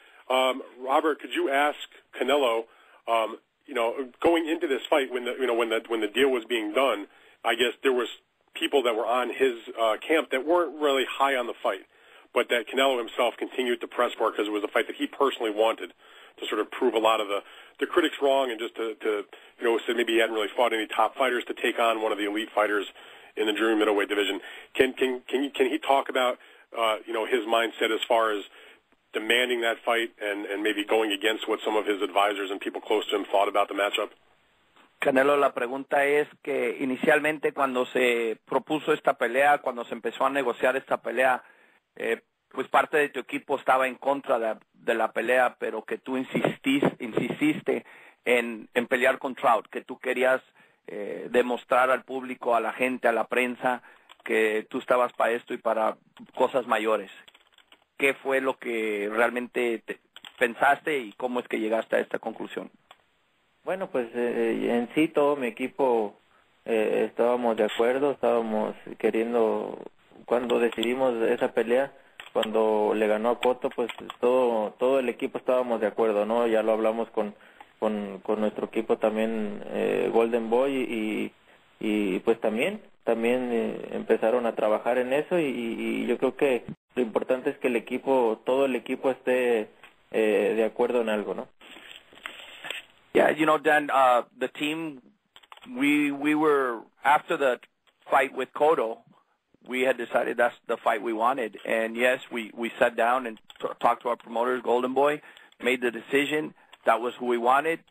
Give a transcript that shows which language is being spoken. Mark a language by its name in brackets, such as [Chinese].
[English] Robert, could you ask Canelo, you know, going into this fight, when the deal was being done, I guess there was people that were on his camp that weren't really high on the fight, but that Canelo himself continued to press for because it was a fight that he personally wanted to sort of prove a lot of the critics wrong and just to you know, say maybe he hadn't really fought any top fighters to take on one of the elite fighters in the junior middleweight division. Can he talk about, you know, his mindset as far as demanding that fight and maybe going against what some of his advisors and people close to him thought about the matchup? [Spanish] Canelo, la pregunta es que inicialmente cuando se propuso esta pelea, cuando se empezó a negociar esta pelea, pues parte de tu equipo estaba en contra de la pelea, pero que tú insististe en pelear con Trout, que tú querías demostrar al público, a la gente, a la prensa, que tú estabas para esto y para cosas mayores. ¿Qué fue lo que realmente pensaste y cómo es que llegaste a esta conclusión? Bueno, pues en sí todo mi equipo estábamos de acuerdo, estábamos queriendo, cuando decidimos esa pelea, cuando le ganó a Cotto, pues todo el equipo estábamos de acuerdo, ¿no? Ya lo hablamos con nuestro equipo también, Golden Boy, y pues también empezaron a trabajar en eso y yo creo que lo importante es que el equipo, todo el equipo esté de acuerdo en algo, ¿no? [English] Yeah, you know, Dan, the team, we were, after the fight with Cotto, we had decided that's the fight we wanted. And yes, we sat down and talked to our promoters, Golden Boy, made the decision. That was who we wanted.